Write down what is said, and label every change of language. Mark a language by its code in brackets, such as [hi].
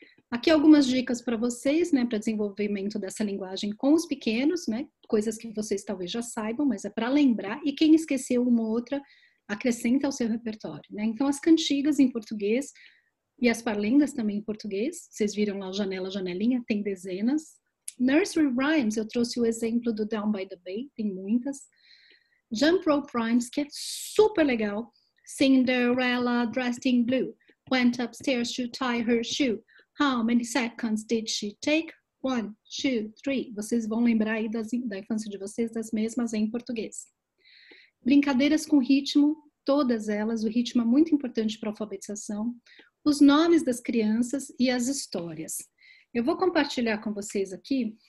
[pt] Aqui algumas dicas para vocês, né, para desenvolvimento dessa linguagem com os pequenos, né, coisas que vocês talvez já saibam, mas é para lembrar, e quem esqueceu uma ou outra, acrescenta ao seu repertório, né. Então, as cantigas em português e as parlendas também em português, vocês viram lá janela, janelinha, tem dezenas. [en] Nursery rhymes, [pt] eu trouxe o exemplo do Down by the Bay, tem muitas. [en] Jump rope rhymes, [pt] que é super legal. [en] Cinderella dressed in blue, went upstairs to tie her shoe. How many seconds did she take? One, two, three. [pt] Vocês vão lembrar aí da infância de vocês das mesmas em português. Brincadeiras com ritmo, todas elas. O ritmo é muito importante para a alfabetização. Os nomes das crianças e as histórias. Eu vou compartilhar com vocês aqui.